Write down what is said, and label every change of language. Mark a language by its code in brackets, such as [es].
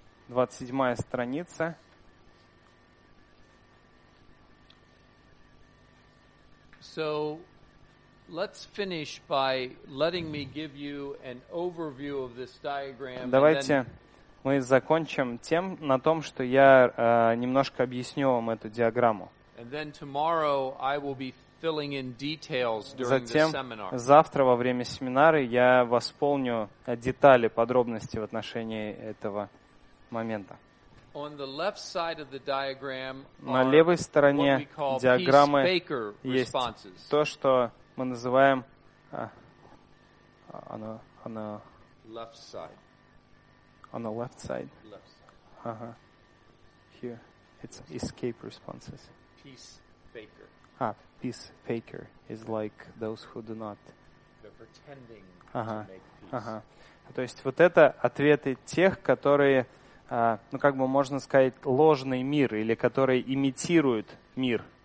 [ru] 27-я страница. [en] So, let's finish by letting me give you an overview of this diagram. [ru] Давайте... [en] And then [ru] мы закончим тем, на том, что я немножко объясню вам эту диаграмму. Затем, завтра во время семинара я восполню детали, подробности в отношении этого момента. [en] On the left side of the diagram are [ru] На левой стороне диаграммы есть то, что мы называем [en] on the left side. Uh-huh. Here it's escape responses. Peace faker. Peace faker is like those who do not. They're pretending to make peace. [ru] То есть вот это ответы тех, которые ну, как бы можно сказать, ложный мир, или который имитирует мир.